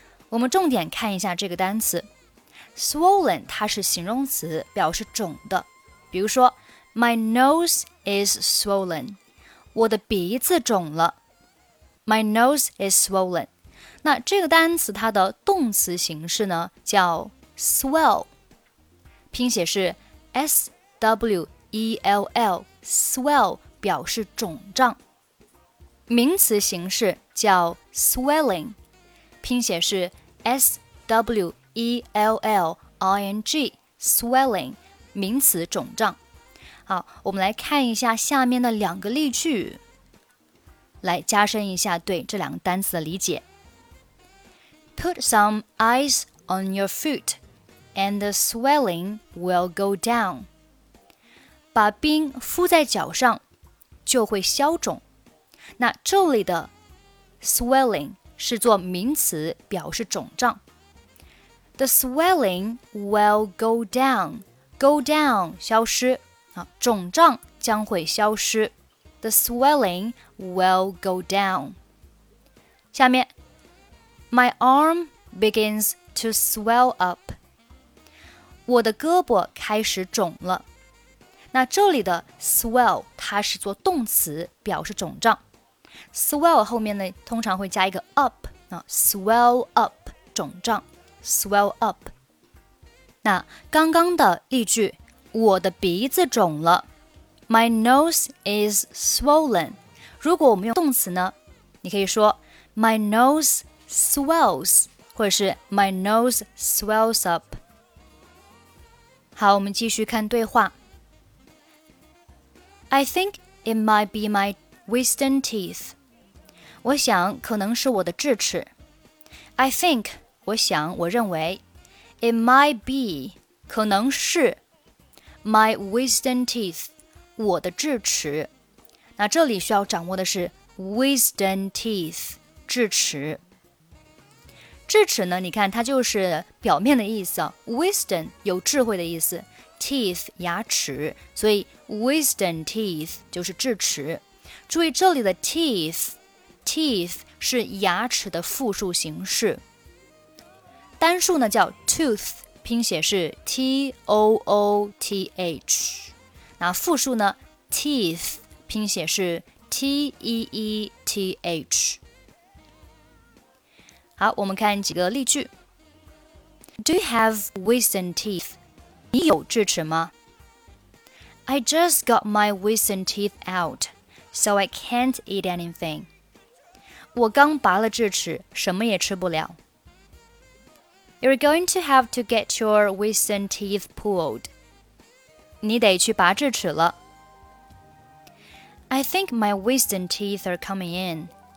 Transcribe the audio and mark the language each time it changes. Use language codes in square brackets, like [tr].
[zh] 我们重点看一下这个单词。Swollen, 它是形容词表示肿的。比如说 [en] ,My nose is swollen. [zh] 我的鼻子肿了。 [en] My nose is swollen. [zh] 那这个单词它的动词形式呢叫 swell。拼写是 S-W-E-L-L, swell, 表示肿胀。名词形式叫 swelling， 拼写是 swelling， swelling， 名词肿胀。好，我们来看一下下面的两个例句，来加深一下对这两个单词的理解。 [en] Put some ice on your foot, and the swelling will go down. [zh] 把冰敷在脚上，就会消肿。那这里的 swelling 是做名词，表示肿胀。 [en] The swelling will go down. Go down [zh] 消失，肿胀将会消失。 [en] The swelling will go down. [zh] 下面 [en] ，My arm begins to swell up. [zh] 我的胳膊开始肿了。那这里的 swell 它是做动词，表示肿胀。 Swell 后面呢，通常会加一个 up， 那 swell up 肿胀 ，swell up。那刚刚的例句，我的鼻子肿了 [en] ，My nose is swollen。 [zh] 如果我们用动词呢，你可以说 [en] My nose swells， [zh] 或者是 [en] My nose swells up。 [zh] 好，我们继续看对话。 [en] I think it might be my wisdom teeth。 [zh] 我想可能是我的智齿。 [en] I think， [zh] 我想，我认为。 [en] It might be， [zh] 可能是。 [en] My wisdom teeth， [zh] 我的智齿。那这里需要掌握的是 wisdom teeth， 智齿。智齿呢，你看它就是表面的意思。Wisdom， 有智慧的意思。 Teeth， 牙齿。所以 wisdom teeth， 就是智齿。注意这里的 teeth，Teeth 是牙齿的复数形式，单数呢叫 tooth， 拼写是 T-O-O-T-H， 那复数呢 teeth， 拼写是 T-E-E-T-H。好，我们看几个例句。 [en] Do you have wisdom teeth? [zh] 你有智齿吗？ [en] I just got my wisdom teeth out, so I can't eat anything. [zh] 我刚拔了智齿，什么也吃不了。 [en] You're going to have to get your wisdom teeth pulled. [zh] 你得去拔智齿了。 [en] I think my wisdom teeth are coming in.